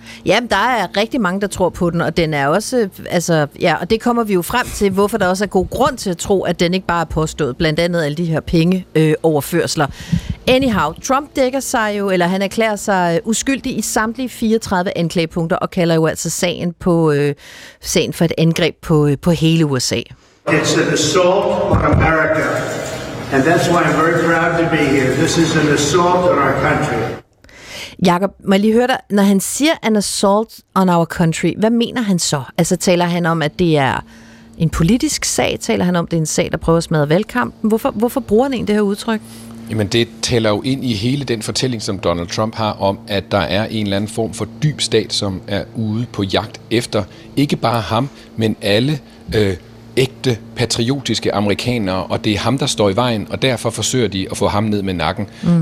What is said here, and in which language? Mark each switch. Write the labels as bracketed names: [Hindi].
[Danish] Jamen, der er rigtig mange, der tror på den, og den er også, altså, ja, og det kommer vi jo frem til, hvorfor der også er god grund til at tro, at den ikke bare er påstået, blandt andet alle de her pengeoverførsler. Anyhow, Trump dækker sig jo, eller han erklærer sig uskyldig i samtlige 34 anklagepunkter, og kalder jo altså sagen på sagen for et angreb på hele USA. [English] It's an assault on America, and that's why I'm very proud to be here. This is an assault on our country. [Danish] Jakob, må jeg lige høre dig, når han siger [English] an assault on our country, [Danish] hvad mener han så? Altså taler han om, at det er en politisk sag? Taler han om, at det er en sag, der prøver at smadre valgkampen? Hvorfor bruger han egentlig det her udtryk? Jamen det taler jo ind i hele den fortælling, som Donald Trump har om, at der er en eller anden form for dyb stat, som er ude på jagt efter ikke bare ham, men alle ægte patriotiske amerikanere, og det er ham, der står i vejen, og derfor forsøger de at få ham ned med nakken. Mm.